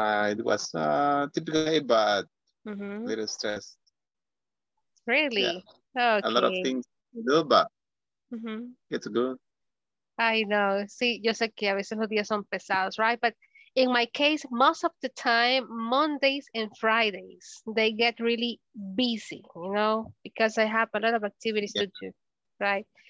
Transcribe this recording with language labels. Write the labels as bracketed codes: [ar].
[en] It was a typical day, but a little stressed. Really? Yeah. Okay. A lot of things to do, but it's good. I know. [es] Sí, yo sé que a veces los días son pesados, [en] right? But in my case, most of the time, Mondays and Fridays, they get really busy, you know, because I have a lot of activities to do, right?